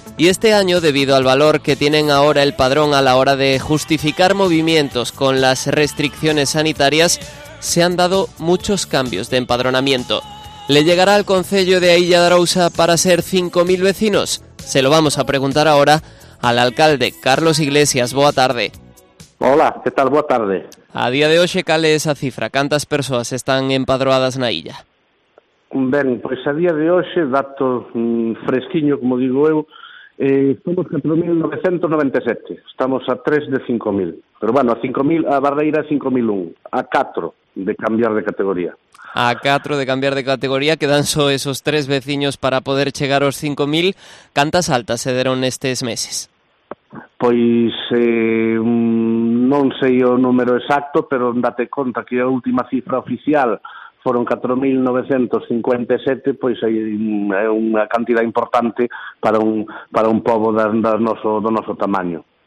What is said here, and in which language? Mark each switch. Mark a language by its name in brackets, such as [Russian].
[Spanish] Y este año, debido al valor que tienen ahora el padrón a la hora de justificar movimientos con las restricciones sanitarias, se han dado muchos cambios de empadronamiento. ¿Le llegará al concello de Ailla de Arousa para ser 5.000 vecinos? Se lo vamos a preguntar ahora al alcalde, Carlos Iglesias. [Galician] Boa tarde. [Spanish] Hola, ¿qué tal? [Galician] Boa tarde. A día de hoxe, cale esa cifra. ¿Cantas persoas están empadroadas na Ailla? Ben, pues a día de hoxe, dato fresquiño, como digo eu, estamos a 4.997, estamos a 3 de 5.000, pero bueno, a 5.000, a barreira 5.001, a 4 de cambiar de categoría. A 4 de cambiar de categoría, quedan só esos 3 veciños para poder chegar aos 5.000. Cantas altas se deron estes meses? Pois non sei o número exacto, pero date conta que a última cifra oficial foron 4.957, pois é unha cantidad importante para un pobo do noso tamaño.